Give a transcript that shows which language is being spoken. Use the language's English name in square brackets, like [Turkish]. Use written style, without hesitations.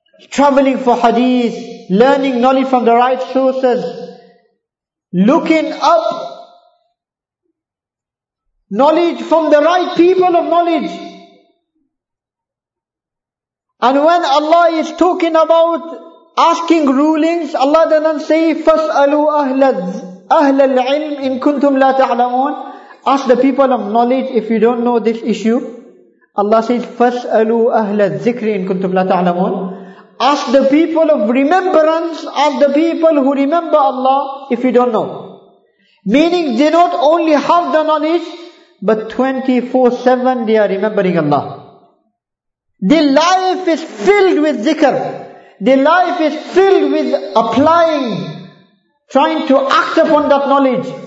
[English] Traveling for hadith, learning knowledge from the right sources, looking up knowledge from the right people of knowledge. And when Allah is talking about asking rulings, Allah doesn't say, [Arabic] فَاسْأَلُوا أَهْلَ الْعِلْمِ إِن كُنْتُمْ لَا تَعْلَمُونَ. [English] Ask the people of knowledge if you don't know this issue. Allah says, [Arabic] فَاسْأَلُوا أَهْلَ الذِّكْرِ إِن كُنْتُمْ لَا تَعْلَمُونَ. [English] Ask the people of remembrance, ask the people who remember Allah if you don't know. Meaning they not only have the knowledge, but 24/7 they are remembering Allah. Their life is filled with dhikr. Their life is filled with applying, trying to act upon that knowledge.